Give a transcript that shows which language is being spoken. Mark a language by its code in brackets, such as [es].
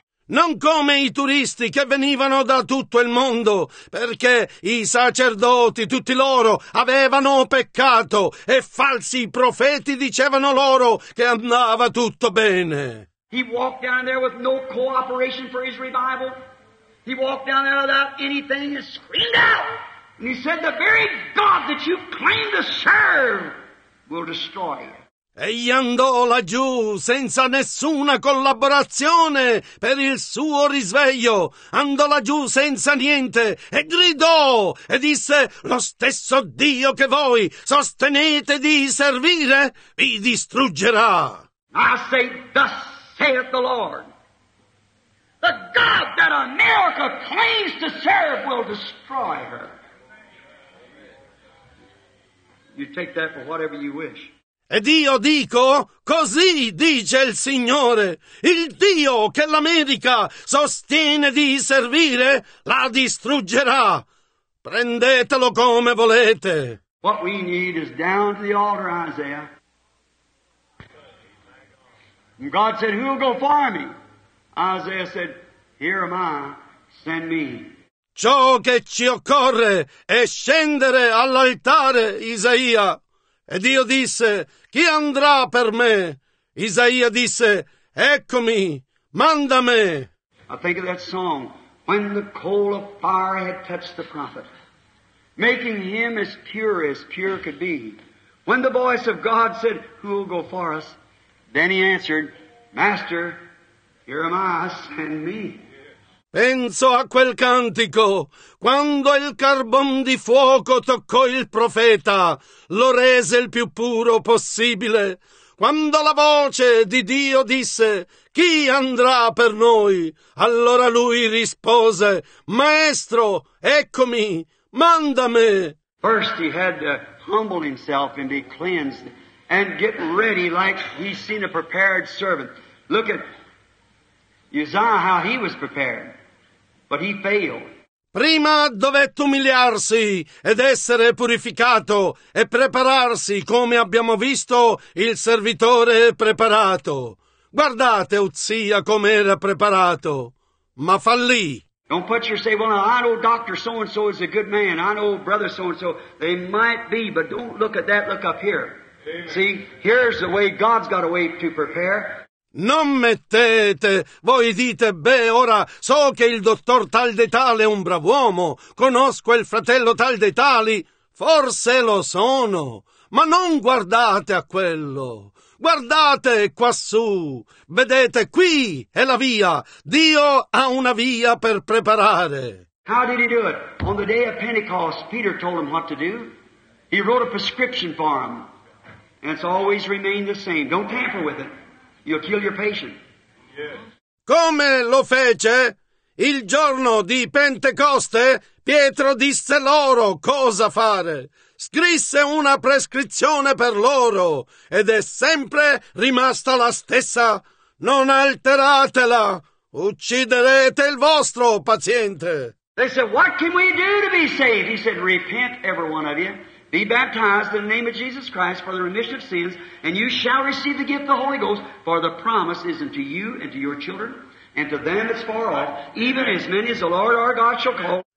[it] Non come i turisti che venivano da tutto il mondo, perché i sacerdoti, tutti loro, avevano peccato e falsi profeti dicevano loro che andava tutto bene. [en] He walked down there with no cooperation for his revival. He walked down there without anything and screamed out. And he said, "The very God that you claim to serve will destroy you." [it] Egli andò laggiù senza nessuna collaborazione per il suo risveglio. Andò laggiù senza niente e gridò e disse: "Lo stesso Dio che voi sostenete di servire vi distruggerà." [en] I say, thus saith the Lord, the God that America claims to serve will destroy her. You take that for whatever you wish. [it] Ed io dico, così dice il Signore, il Dio che l'America sostiene di servire, la distruggerà. Prendetelo come volete. [en] What we need is down to the altar, Isaiah. And God said, who will go for me? Isaiah said, here am I, send me. [it] Ciò che ci occorre è scendere all'altare, Isaia. E Dio disse, chi andrà per me? Isaia disse, eccomi, manda me. [en] I think of that song, when the coal of fire had touched the prophet, making him as pure could be. When the voice of God said, who will go for us? Then he answered, Master, here am I, send me. [it] Penso a quel cantico, quando il carbon di fuoco toccò il profeta, lo rese il più puro possibile. Quando la voce di Dio disse, chi andrà per noi? Allora lui rispose, Maestro, eccomi, mandami. [en] First he had to humble himself and be cleansed and get ready like he's seen a prepared servant. Look at Uzziah, how he was prepared. But he failed. [it] Prima dovette umiliarsi ed essere purificato e prepararsi come abbiamo visto il servitore preparato. Guardate Uzzia come era preparato, ma fallì. [en] Don't put your say, well, I know Dr. So-and-so is a good man. I know Brother So-and-so. They might be, but don't look at that, look up here. Amen. See, here's the way God's got a way to prepare. [it] Non mettete, voi dite, beh, ora so che il dottor tal de tale è un bravo uomo, conosco il fratello tal de tali, forse lo sono, ma non guardate a quello, guardate quassù, vedete, qui è la via, Dio ha una via per preparare. [en] How did he do it? On the day of Pentecost, Peter told him what to do. He wrote a prescription for him, and it's always remained the same. Don't tamper with it. You'll kill your patient. [it] Come lo fece? Il giorno di Pentecoste, Pietro disse loro cosa fare. Scrisse una prescrizione per loro ed è sempre rimasta la stessa. Non alteratela, ucciderete il vostro paziente. [en] They said, what can we do to be saved? He said, repent, every one of you. Be baptized in the name of Jesus Christ for the remission of sins, and you shall receive the gift of the Holy Ghost, for the promise is unto you and to your children, and to them that's far off, even as many as the Lord our God shall call.